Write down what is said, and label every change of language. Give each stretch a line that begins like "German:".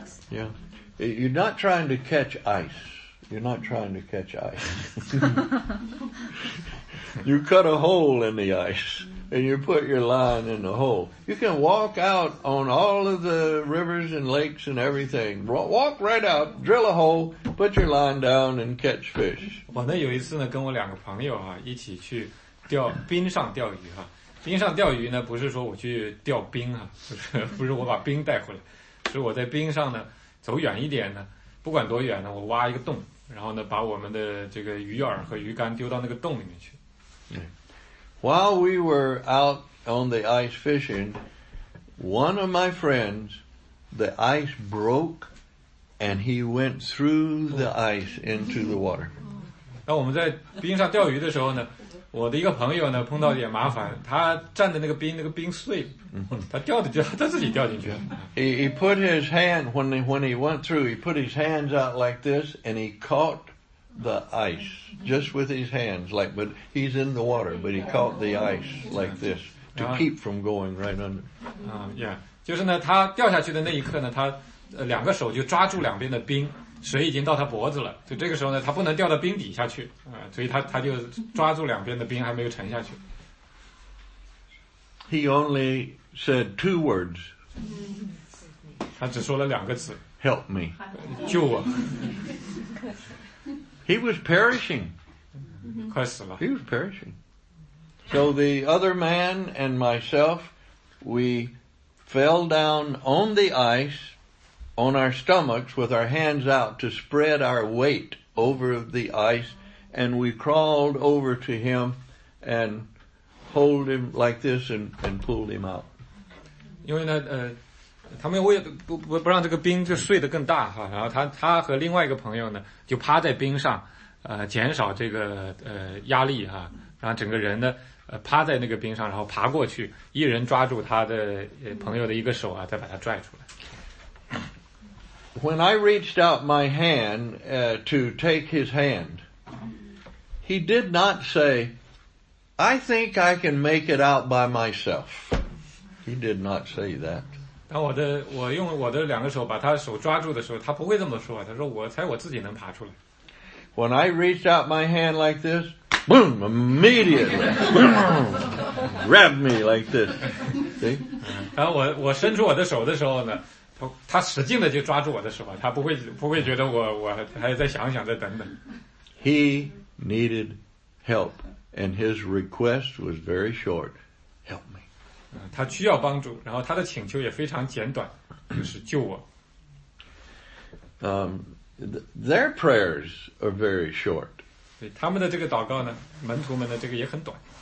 English: Yeah. You're not trying to catch ice. You're not trying to catch ice. You cut a hole in the ice and you put your line in the hole. You can walk out on all of the rivers and lakes and everything. Walk right out, drill a hole, put your line down and catch fish.
Chinese: 我呢有一次呢跟我两个朋友啊一起去钓冰上钓鱼啊。冰上钓鱼呢不是说我去钓冰啊，不是我把冰带回来。是我在冰上呢走远一点呢，不管多远呢，我挖一个洞，然后呢把我们的这个鱼饵和鱼竿丢到那个洞里面去。
English: While we were out on the ice fishing, one of my friends, the ice broke, and he went through the ice into the water.
Chinese: 那我们在冰上钓鱼的时候呢，我的一个朋友呢碰到点麻烦，他站的那个冰碎，他掉的就他自己掉进去了。
English: He put his hand when he went through, he put his hands out like this, and he caught. The ice, just with his hands, like, but he's in the water, but he caught the ice like this to keep from going right under.
Chinese: Yeah, 就是呢，他掉下去的那一刻呢，他两个手就抓住两边的冰，水已经到他脖子了，就这个时候呢，他不能掉到冰底下去，所以他就抓住两边的冰，还没有沉下去。
English: He only said two words.
Chinese: 他只说了两个字
English: ，Help me,
Chinese: 救我。
English: He was perishing. Mm-hmm. He was perishing. So the other man and myself, we fell down on the ice on our stomachs with our hands out to spread our weight over the ice. And we crawled over to him and hold him like this and pulled him out.
Chinese: 因为呢，他们为不让这个冰就碎得更大哈，然后他和另外一个朋友呢就趴在冰上，减少这个压力哈，然后整个人呢趴在那个冰上，然后爬过去，一人抓住他的朋友的一个手啊，再把他拽出来。
English: When I reached out my hand to take his hand, he did not say, "I think I can make it out by myself." He did not say that.
Chinese: 我用我的两个手把他手抓住的时候，他不会这么说。他说：“我猜我自己能爬出来。”
English: When I reached out my hand like this, boom, immediately, boom, grabbed me like this. See?
Chinese: 然后我伸出我的手的时候呢，他使劲的就抓住我的手，他不会觉得我还要再想想再等等。
English: He needed help, and his request was very short.
Chinese: 他需要帮助，然后他的请求也非常简短，就是救我。
English: Their prayers are very short.
Chinese: 对，他们的这个祷告呢，门徒们的这个也很短。